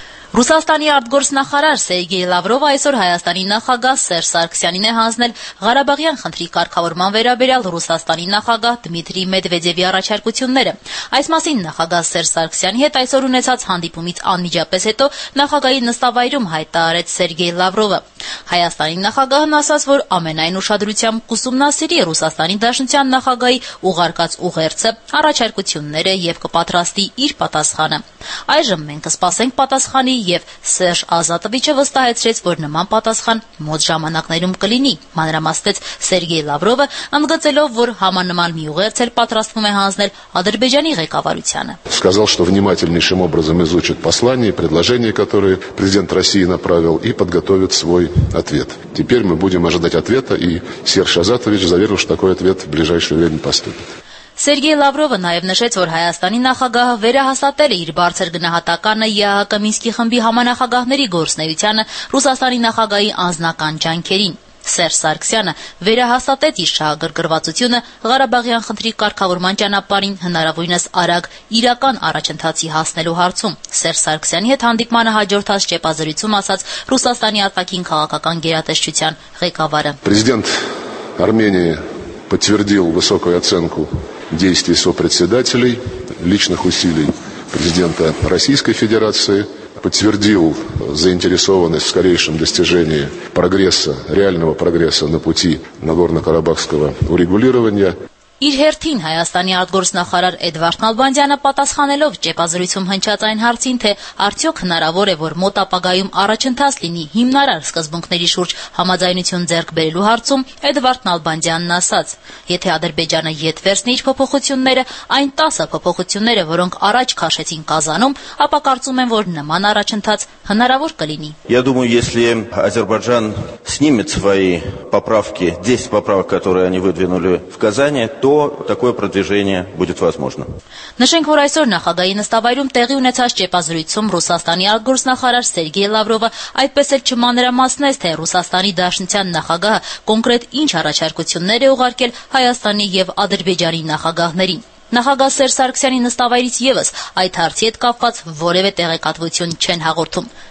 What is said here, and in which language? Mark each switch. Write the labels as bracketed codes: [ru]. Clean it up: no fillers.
[hy] Ռուսաստանի արտգործնախարար Սերգեյ Լավրովը այսօր Հայաստանի նախագահ Սերժ Սարգսյանին է հանձնել Ղարաբաղյան խնդրի կարգավորման վերաբերյալ Ռուսաստանի նախագահ Դմիտրի Մեդվեդևի առաջարկությունները։ Այս մասին նախագահ Սերժ Սարգսյանի հետ այսօր ունեցած հանդիպումից անմիջապես հետո նախագահի նստավայրում հայտարարեց Սերգեյ Լավրովը։ Հայաստանի նախագահն ասաց, որ ամենայն ուշադրությամբ կուսումնասիրի Ռուսաստանի Դաշնության նախագահի ուղարկած ուղերձը, առաջարկությունները և կպատրաստի իր պատասխանը։ Այժմ մենք կսպասենք պատասխան և Սերժ Ազատովիչը վստահեցրեց, որ նման պատասխան մոտ ժամանակներում կլինի, մանրամասնեց Սերգեյ Լավրովը, ընդգծելով, որ համանման մի ուղերձ էլ պատրաստվում է հանձնել Ադրբեջանի ղեկավարությանը։ [ru] Сказал, что внимательнейшим образом изучит послание и предложение, которое президент России направил, и подготовит свой ответ. Теперь мы будем ожидать ответа, и Серж Азатович заверил, что такой ответ в ближайшее время поступит. [hy] Սերգեյ Լավրովը նաև նշեց, որ Հայաստանի նախագահը վերահաստատել է իր բարձր գնահատականը ԵԱՀԿ Մինսկի խմբի համանախագահների գործնեությանը Ռուսաստանի նախագահի անձնական ջանքերին։ Սերժ Սարգսյանը վերահաստատեց իր շահագրգռվածությունը Ղարաբաղյան խնդրի կարգավորման ճանապարհին հնարավորինս արագ իրական առաջընթացի հասնելու հարցում։ Սերժ Սարգսյանի հետ հանդիպմանը հաջորդած ճեպազրույցում ասաց Ռուսաստանի արտաքին քաղաքական գերատեսչության ղեկավարը։ [ru] Պրեզիդենտ Արմենիայի подтвердил высокую оценку действий сопредседателей, личных усилий президента Российской Федерации, подтвердил заинтересованность в скорейшем достижении прогресса, реального прогресса на пути Нагорно-Карабахского урегулирования. [hy] Իր հերթին Հայաստանի արտգործնախարար Էդվարդ Նալբանդյանը պատասխանելով ճեպազրույցում հնչած այն հարցին, թե արդյոք հնարավոր է, որ մոտ ապագայում առաջընթաց լինի հիմնարար սկզբունքների շուրջ համաձայնություն ձեռք բերելու հարցում, Էդվարդ Նալբանդյանն ասաց. Եթե Ադրբեջանը ետ վերցնի իր փոփոխությունները, այն 10 փոփոխությունները, որոնք առաջ քաշեցին Կազանում, ապա կարծում եմ, որ նման առաջընթաց հնարավոր կլինի։ [ru] Я думаю, если Азербайджан снимет свои поправки, 10 поправок, которые они выдвинули в Казани, то то такое продвижение будет возможно. [hy] Նշենք, որ այսօր նախագահի նստավայրում տեղի ունեցած ճեպազրույցում Ռուսաստանի արտգործնախարար Սերգեյ Լավրովը այդպես էլ չմանրամասնեց, թե Ռուսաստանի Դաշնության նախագահը կոնկրետ ինչ առաջարկություններ է ուղարկել Հայաստանի և Ադրբեջանի նախագահներին. Նախագահ Սերժ Սարգսյանի նստավայրից ևս այդ հարցի հետ կապված որևէ տեղեկատվություն չեն հաղորդում.